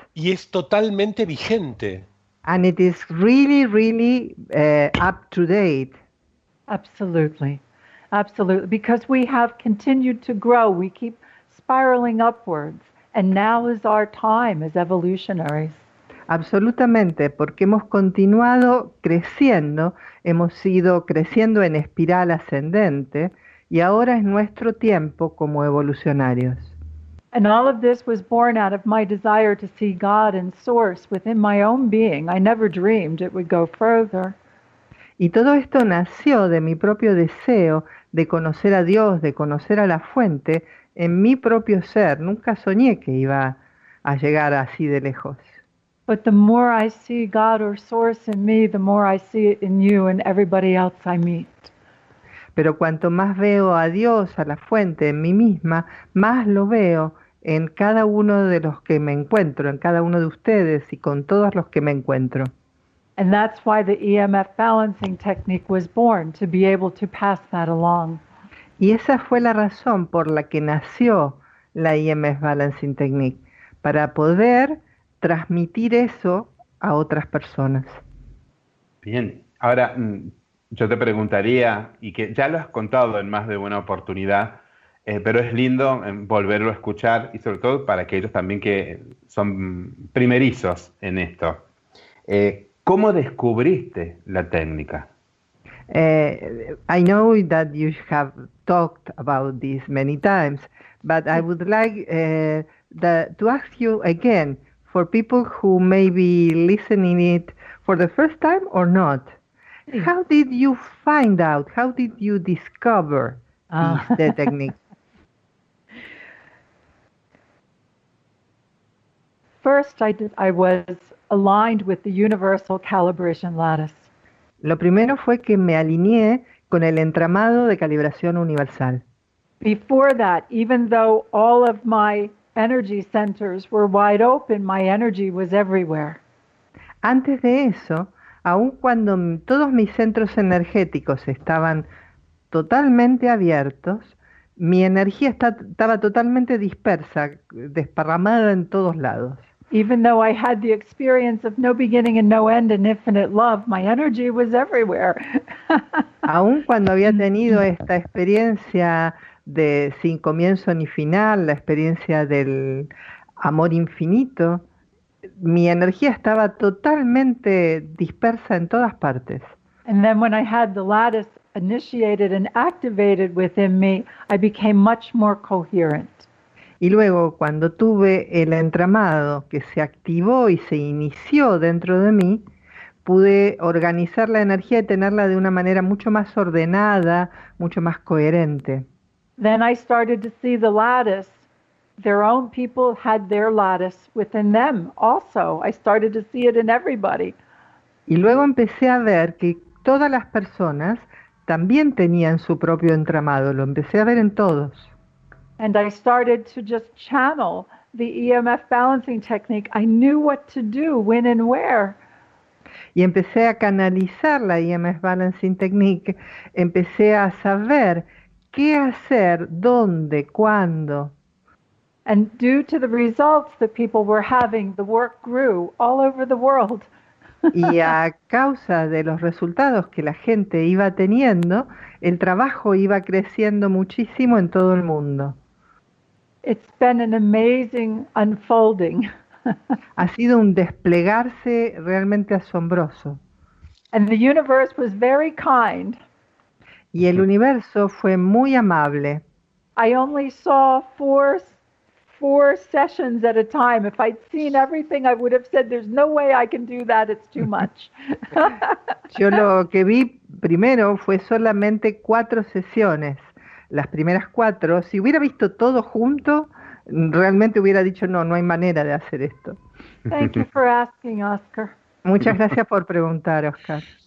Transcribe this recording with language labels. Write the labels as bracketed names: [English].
[Spanish] Y es totalmente vigente. [English] And it is really, really up to date. Absolutely. Absolutely, because we have continued to grow. We keep spiraling upwards, and now is our time as evolutionaries. [Spanish] Absolutamente, porque hemos continuado creciendo, hemos ido creciendo en espiral ascendente, y ahora es nuestro tiempo como evolucionarios. [English] And all of this was born out of my desire to see God and Source within my own being. I never dreamed it would go further. [Spanish] Y todo esto nació de mi propio deseo de conocer a Dios, de conocer a la fuente, en mi propio ser. Nunca soñé que iba a llegar así de lejos. [English] But the more I see God or Source in me, the more I see it in you and everybody else I meet. [Spanish] Pero cuanto más veo a Dios, a la fuente, en mí misma, más lo veo en cada uno de los que me encuentro, en cada uno de ustedes y con todos los que me encuentro. [English] And that's why the EMF balancing technique was born, to be able to pass that along. [Spanish] Y esa fue la razón por la que nació la EMF balancing technique, para poder transmitir eso a otras personas. Bien, ahora yo te preguntaría, y que ya lo has contado en más de una oportunidad, pero es lindo volverlo a escuchar, y sobre todo para aquellos también que son primerizos en esto. ¿Cómo descubriste la técnica? [English] I know that you have talked about this many times, but I would like to ask you again, for people who may be listening it for the first time or not, how did you find out, how did you discover the technique? First, I was aligned with the universal calibration lattice. [Spanish] Lo primero fue que me alineé con el entramado de calibración universal. [English] Before that, even though all of my energy centers were wide open, my energy was everywhere. [Spanish] Antes de eso, aun cuando todos mis centros energéticos estaban totalmente abiertos, mi energía estaba totalmente dispersa, desparramada en todos lados. [English] Even though I had the experience of no beginning and no end and infinite love, my energy was everywhere. [Spanish] Aun cuando había tenido esta experiencia de sin comienzo ni final, la experiencia del amor infinito, mi energía estaba totalmente dispersa en todas partes. [English] And then when I had the lattice initiated and activated within me, I became much more coherent. [Spanish] Y luego, cuando tuve el entramado que se activó y se inició dentro de mí, pude organizar la energía y tenerla de una manera mucho más ordenada, mucho más coherente. [English] Then I started to see the lattice. Their own people had their lattice within them also. I started to see it in everybody. [Spanish] Y luego empecé a ver que todas las personas también tenían su propio entramado. Lo empecé a ver en todos. [English] And I started to just channel the EMF balancing technique. I knew what to do, when and where. [Spanish] Y empecé a canalizar la EMF balancing technique. Empecé a saber qué hacer, dónde, cuándo. [English] And due to the results that people were having, the work grew all over the world. [Spanish] Y a causa de los resultados que la gente iba teniendo, el trabajo iba creciendo muchísimo en todo el mundo. [English] It's been an amazing unfolding. [Spanish] Ha sido un desplegarse realmente asombroso. [English] And the universe was very kind. [Spanish] Y el universo fue muy amable. [English] I only saw four sessions at a time. If I'd seen everything, I would have said, there's no way I can do that, it's too much. [Spanish] Yo lo que vi primero fue solamente cuatro sesiones. las primeras cuatro, si hubiera visto todo junto, realmente hubiera dicho no, no hay manera de hacer esto. [English] Thank you for asking, Oscar. [Spanish] Muchas gracias por preguntar, Oscar.